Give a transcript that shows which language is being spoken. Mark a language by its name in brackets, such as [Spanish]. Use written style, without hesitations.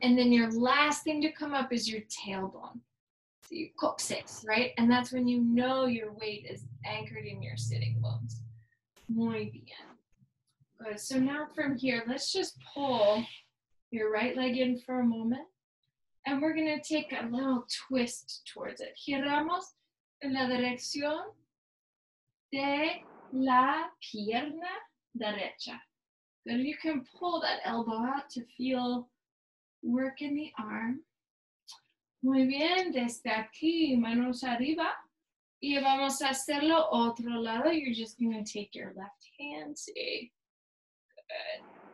[English] And then your last thing to come up is your tailbone. So you coccyx, right? And that's when you know your weight is anchored in your sitting bones. [Spanish] Muy bien. [English] Good. So now from here, let's just pull your right leg in for a moment. And we're going to take a little twist towards it. [Spanish] Giramos en la dirección de la pierna derecha. [English] Good. You can pull that elbow out to feel work in the arm. [Spanish] Muy bien. Desde aquí, manos arriba. Y vamos a hacerlo otro lado. [English] You're just going to take your left hand. See? Good.